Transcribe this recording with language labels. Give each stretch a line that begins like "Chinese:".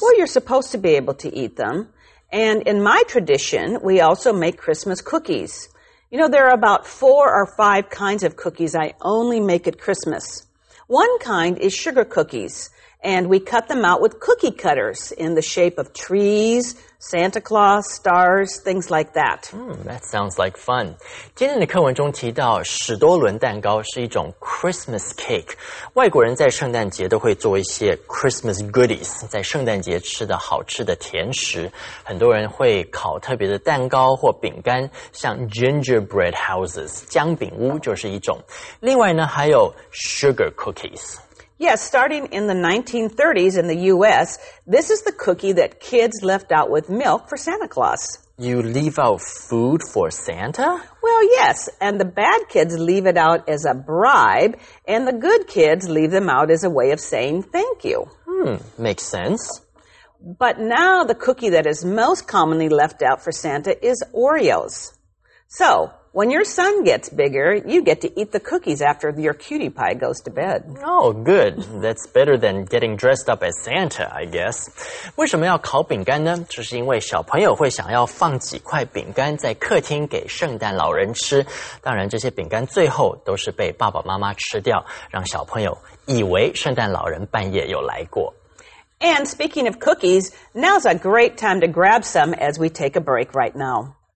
English: Well, you're supposed to be able to eat them. And in my tradition, we also make Christmas cookies. You know, there are about 4 or 5 kinds of cookies I only make at Christmas. One kind is sugar cookies, and we cut them out with cookie cutters in the shape of trees, Santa Claus, stars, things like that. That sounds like fun.
Chinese: 今天的课文中提到史多伦蛋糕是一种 Christmas cake. 外国人在圣诞节都会做一些 Christmas goodies, 在圣诞节吃的好吃的甜食。很多人会烤特别的蛋糕或饼干，像 gingerbread houses, 姜饼屋就是一种。另外呢，还有 sugar cookies.
English: Yes, starting in the 1930s in the U.S., this is the cookie that kids left out with milk for Santa Claus. You leave out food for Santa? Well, yes, and the bad kids leave it out as a bribe, and the good kids leave them out as a way of saying thank you. Makes sense. But now the cookie that is most commonly left out for Santa is Oreos. So... When your son gets bigger, you get to eat the cookies after your cutie pie goes to bed. Oh, good. That's better than getting dressed up as Santa, I guess.
Chinese: 为什么要烤饼干呢？就是因为小朋友会想要放几块饼干在客厅给圣诞老人吃。当然，这些饼干最后都是被爸爸妈妈吃掉，让小朋友以为圣诞老人半夜有来过。
English: And speaking of cookies, now's a great time to grab some as we take a break right now.